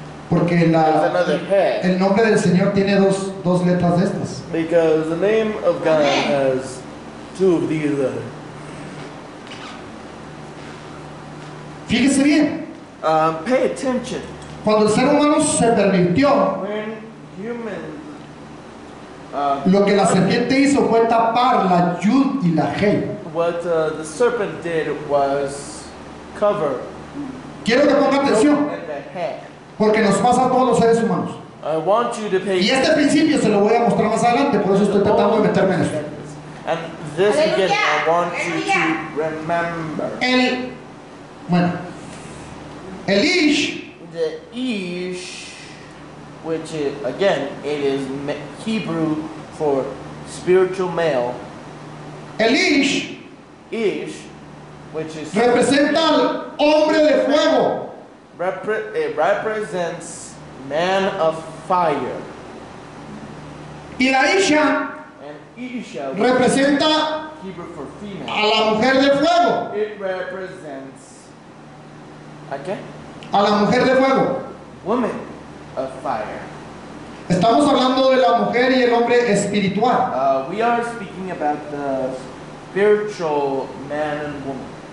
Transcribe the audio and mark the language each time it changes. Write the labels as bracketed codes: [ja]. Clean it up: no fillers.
[es] Porque la el nombre del Señor tiene dos letras de estas. [en] Because the name of God has two of these. [es] Fíjese bien. [en] Pay attention. [es] Cuando el ser humano se permitió, [en] when human, [es] lo que la serpiente hizo fue tapar la yud y la hey. [en] What the serpent did was cover. [es] Quiero que ponga atención. Porque nos pasa a todos los seres humanos. [en] I want you to pay [es] y este principio se lo voy a mostrar más adelante, por eso estoy tratando de meterme en esto. [en] And this again, I want you to remember. [es] El ish. [en] The ish, which is, again, it is Hebrew for spiritual male. [es] El ish. [en] Ish, which is [es] representa al hombre de fuego. [en] It represents man of fire. [es] Y la Isha, [en] and Isha [es] representa [en] Hebrew for female, [es] a la mujer de fuego. [en] It represents okay? [es] A la mujer de fuego. [en] Woman of fire. [es] Estamos hablando de la mujer y el hombre espiritual. [en] We are speaking about the spiritual man and woman.